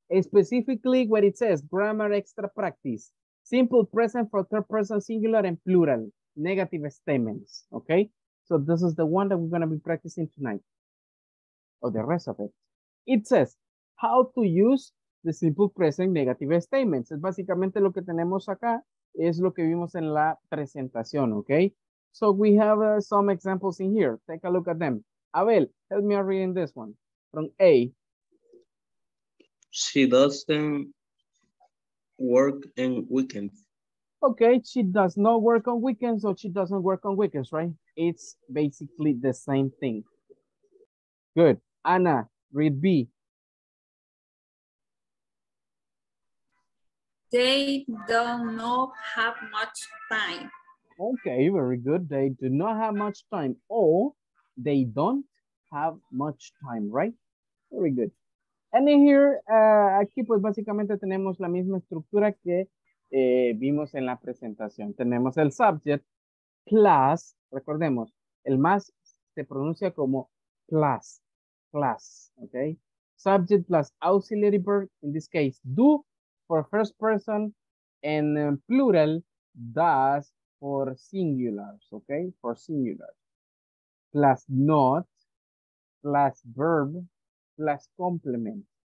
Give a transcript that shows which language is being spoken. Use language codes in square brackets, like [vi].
[en] Specifically what it says, grammar extra practice. Simple present for third person singular and plural. Negative statements, okay? So this is the one that we're gonna be practicing tonight. Or the rest of it. It says, how to use the simple present negative statements. [es] Es básicamente lo que tenemos acá, es lo que vimos en la presentación, okay? [en] So we have some examples in here. Take a look at them. Abel, help me out reading this one. From A. She doesn't work on weekends. Okay, she does not work on weekends, or she doesn't work on weekends, right? It's basically the same thing. Good. Anna, read B. They do not have much time. Okay, very good. They do not have much time, or they don't have much time, right? Very good. And in here, [es] aquí pues básicamente tenemos la misma estructura que vimos en la presentación. Tenemos el subject plus, recordemos, el más se pronuncia como plus. [en] Class, okay? Subject plus auxiliary verb, in this case, do for first person, and plural, does for singulars, okay? For singulars. Plus not, plus verb, plus complement.